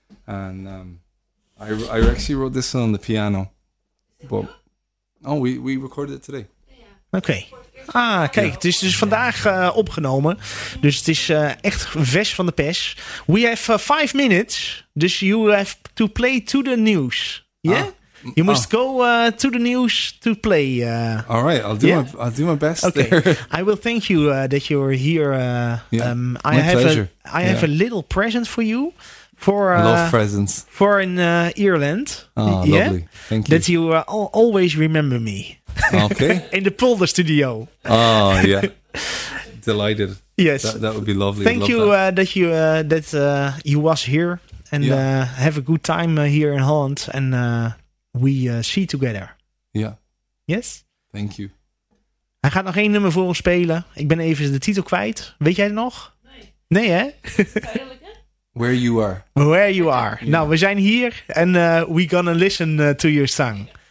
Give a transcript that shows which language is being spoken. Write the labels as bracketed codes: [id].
[en] And I actually wrote this one on the piano. But, we recorded it today. [nl] Oké. Okay. Ah, kijk. Het is dus vandaag opgenomen. Dus het is echt vers van de pers. [en] We have 5 minutes. Dus you have to play to the news. Yeah? You must go to the news to play. All right. I'll do my best. Okay. I will thank you that you're here. My pleasure. I have a little present for you. Love presents. For in Ireland. Oh, yeah? Lovely. Thank you. That you always remember me. Okay. In the Polder studio. Oh, yeah. Delighted. Yes. That would be lovely. Thank you that you was here. And have a good time here in Holland. And we see together. Yeah. Yes? Thank you. [nl] Hij gaat nog 1 nummer voor ons spelen. Ik ben even de titel kwijt. Weet jij het nog? Nee. Nee, hè? [en] Where you are. Where you are. Yeah. [nl] Nou, we zijn hier. [en] And we gonna listen to your song.